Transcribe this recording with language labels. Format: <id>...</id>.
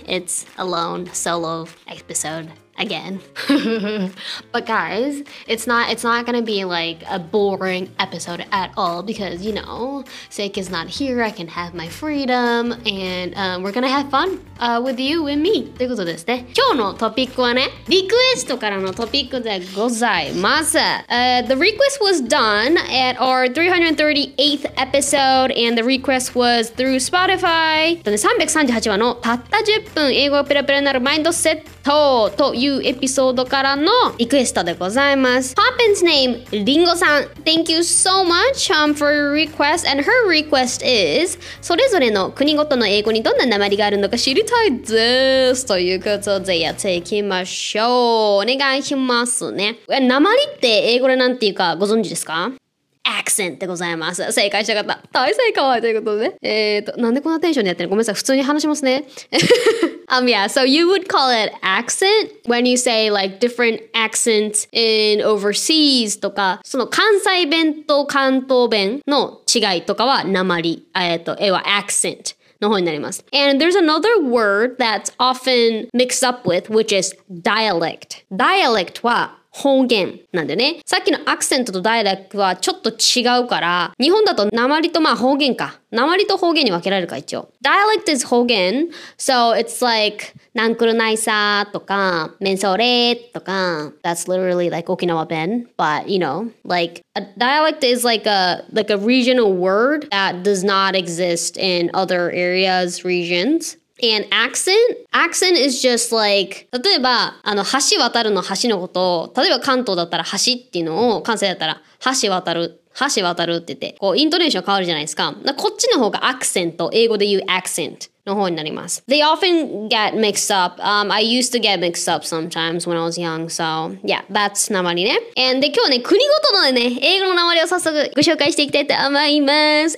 <en>It's a lone solo episode again. But guys, it's not going to be like a boring episode at all because, you know, Seik is not here. I can have my freedom and we're going to have fun with you and me.</en> <ja>ということですね。今日のトピックはね、リクエストからのトピックでございます。</ja> <en>The request was done at our 338th episode and the request was through Spotify.</en> <ja>338話のたった10分英語ペラペラになるマインドセットというエピソードからのリクエストでございます。</ja> <en>Poppin's name, リンゴさん。Thank you so much for your request. And her request is,</en> <ja>それぞれの国ごとの英語にどんな訛りがあるのか知りたいです。ということでやっていきましょう。お願いしますね。訛りって英語でなんていうかご存知ですか？アクセントでございます。正解したかった。大正解ということでね。なんでこんなテンションでやってるの？ごめんなさい。普通に話しますね。</ja> <en>yeah, so you would call it accent when you say like different accents in overseas</en> <ja>とか、その関西弁と関東弁の違いとかは訛り、はアクセントの方になります。</ja> <en>And there's another word that's often mixed up with, which is dialect.</en> <ja>Dialect は方言なんでね。さっきのアクセントとダイアレクはちょっと違うから、日本だと訛とまあ方言か。訛と方言に分けられるか一応。</ja> <en>Dialect is 方言。So it's like,</en> <ja>なんくるないさとか、めんそれとか。</ja> <en>That's literally like Okinawa Ben. But, you know, like, a dialect is like a regional word that does not exist in other areas, regions.</en> <ja>And accent is just like, 例えば、橋渡るの橋のことを、例えば関東だったら橋っていうのを、関西だったら橋渡るって言って、こう、イントネーション変わるじゃないですか。だからこっちの方がアクセント、英語で言うアクセントの方になります。</ja> <en>They often get mixed up. I used to get mixed up sometimes when I was young, so yeah, that's</en> <ja>訛りね。 And で、今日ね、国ごとのね、英語の訛りを早速ご紹介していきたいと思います。</ja>